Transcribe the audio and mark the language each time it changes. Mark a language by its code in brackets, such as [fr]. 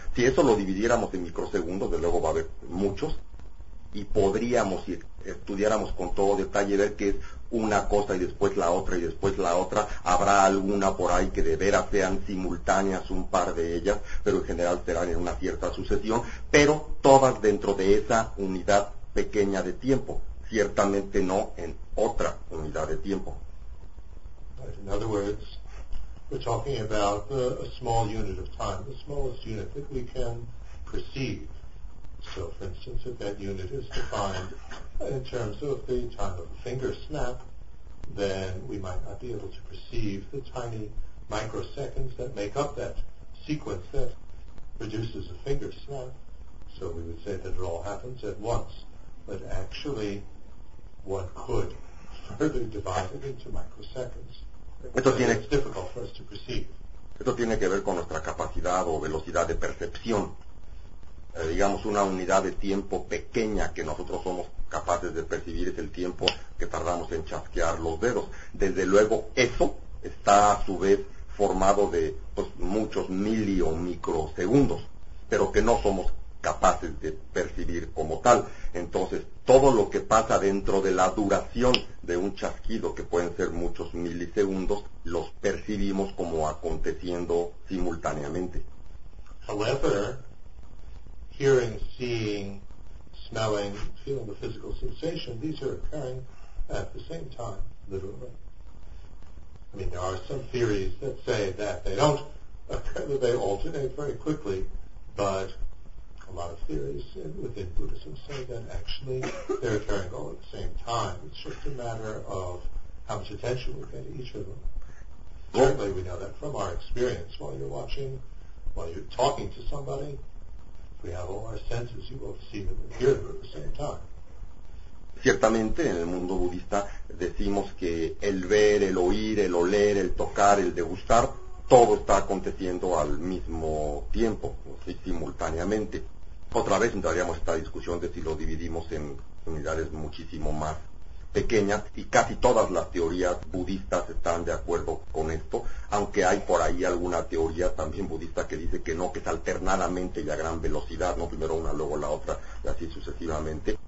[es] Si eso lo dividiéramos en microsegundos, de luego va a haber muchos, y podríamos, si estudiáramos con todo detalle, ver que es una cosa y después la otra y después la otra, habrá alguna por ahí que de veras sean simultáneas un par de ellas, pero en general serán en una cierta sucesión, pero todas dentro de esa unidad pequeña de tiempo, ciertamente no en otra unidad de tiempo. [en] In other words, we're talking about a small unit of time, the smallest unit that we can perceive. So, for instance, if that unit is defined in terms of the time of a finger snap, then we might not be able to perceive the tiny microseconds that make up that sequence that produces a finger snap. So we would say that it all happens at once. But actually, one could further divide it into microseconds. [es] Esto tiene, [en] it's difficult for us to perceive. [es] Esto tiene que ver con nuestra capacidad o velocidad de percepción. Digamos, una unidad de tiempo pequeña que nosotros somos capaces de percibir es el tiempo que tardamos en chasquear los dedos. Desde luego, eso está a su vez formado de pues, muchos mili o microsegundos, pero que no somos capaces de percibir como tal. Entonces, todo lo que pasa dentro de la duración de un chasquido, que pueden ser muchos milisegundos, los percibimos como aconteciendo simultáneamente. [en] However, hearing, seeing, smelling, feeling the physical sensation, these are occurring at the same time, literally. I mean, there are some theories that say that they don't occur, that they alternate very quickly, but a lot of theories within Buddhism say that actually they're occurring all at the same time. It's just a matter of how much attention we pay to each of them. Certainly we know that from our experience while you're watching, while you're talking to somebody, we have all our senses, you both see them and hear them at the same time. [es] Ciertamente en el mundo budista decimos que el ver, el oír, el oler, el tocar, el degustar, todo está aconteciendo al mismo tiempo, ¿sí? Simultáneamente. Otra vez entraríamos esta discusión de si lo dividimos en unidades muchísimo más pequeñas, y casi todas las teorías budistas están de acuerdo con esto, aunque hay por ahí alguna teoría también budista que dice que no, que es alternadamente y a gran velocidad, no primero una, luego la otra, y así sucesivamente.